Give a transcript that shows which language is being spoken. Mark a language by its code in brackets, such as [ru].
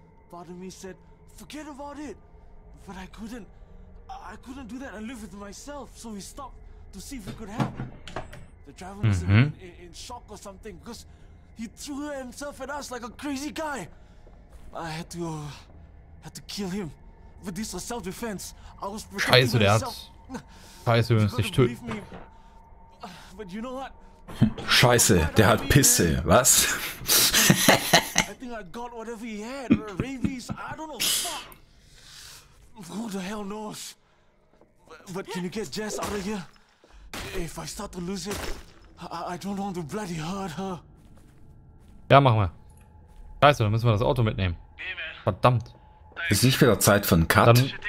[en] Part of me said, forget about it. But I couldn't do that and live with myself. So we stopped to see if we could help. The driver was in shock or something because he threw himself at us like a crazy guy. I had to kill him. But this was self-defense. I was protecting myself. [de] Scheiße, wir müssen dich töten. [en] But you know what? [de] Scheiße, der hat Pisse, was? [en] I think I got whatever he had, rabies, I don't know, fuck. Who the hell knows? But can you get Jess out of here? If I start to lose it, I don't want to bloody hurt her. [de] Ja, machen wir. Scheiße, dann müssen wir das Auto mitnehmen. Verdammt. Ist nicht wieder Zeit für einen Cut?